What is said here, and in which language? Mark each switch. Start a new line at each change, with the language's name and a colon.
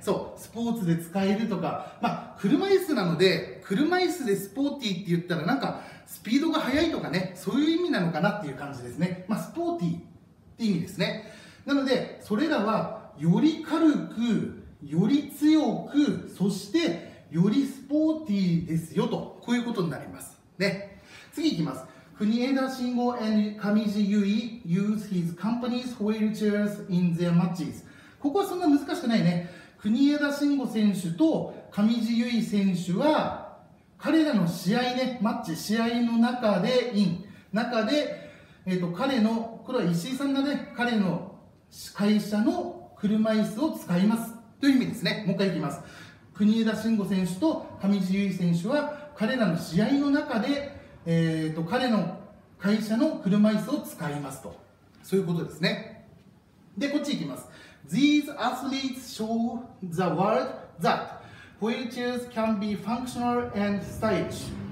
Japanese: そう、スポーツで使えるとか、車椅子なので、車椅子でスポーティーって言ったら、なんか、スピードが速いとかね、そういう意味なのかなっていう感じですね。スポーティーって意味ですね。なので、それらは、より軽く、より強く、そして、よりスポーティーですよ、と。こういうことになります。ね。次いきます。
English: 国枝慎吾 and 上地結衣 use his company's wheelchairs in their matches.
Japanese: ここはそんな難しくないね。国枝慎吾選手と上地結衣選手は彼らの試合ね、マッチ、試合の中で中で、彼の、これは石井さんがね、彼の会社の車椅子を使いますという意味ですね。もう一回いきます。国枝慎吾選手と上地結衣選手は彼らの試合の中で彼の会社の車椅子を使いますと。そういうことですね。で、こっち行きます。
English: These athletes show the world that wheelchairs can be functional and stylish.